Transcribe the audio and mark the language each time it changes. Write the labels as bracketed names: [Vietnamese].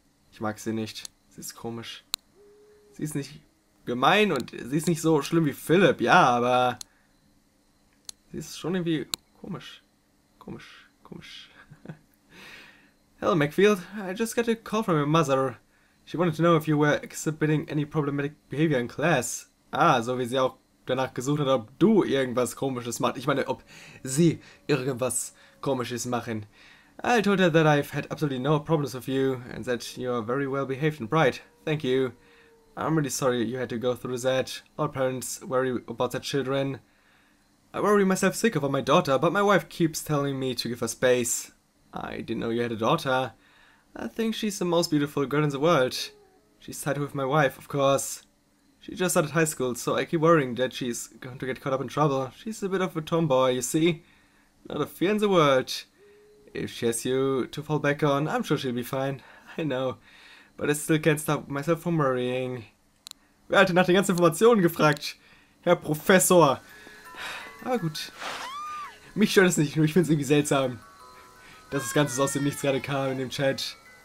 [German] Ich mag sie nicht. Sie ist komisch. Sie ist nicht gemein und sie ist nicht so schlimm wie Philipp, ja, aber sie ist schon irgendwie komisch. Komisch. [English] Hello, Macfield. I just got a call from your mother. She wanted to know if you were exhibiting any problematic behavior in class. [German] Ah, so wie sie auch danach gesucht hat, ob du irgendwas komisches machst. Ich meine, ob sie irgendwas komisches machen. [English] I told her that I've had absolutely no problems with you and that you are very well behaved and bright. Thank you. I'm really sorry you had to go through that. All parents worry about their children. I worry myself sick about my daughter, but my wife keeps telling me to give her space. I didn't know you had a daughter. I think she's the most beautiful girl in the world. She's tied with my wife, of course. She just started high school, so I keep worrying that she's going to get caught up in trouble. She's a bit of a tomboy, you see? Not a fear in the world. If she has you to fall back on, I'm sure she'll be fine. I know. But I still can't stop myself from worrying. [German] Wer hat denn nach den ganzen Informationen gefragt? Herr Professor! Aber gut. Mich stört es nicht, nur ich find's irgendwie seltsam, dass das Ganze so aus dem Nichts gerade kam in dem Chat.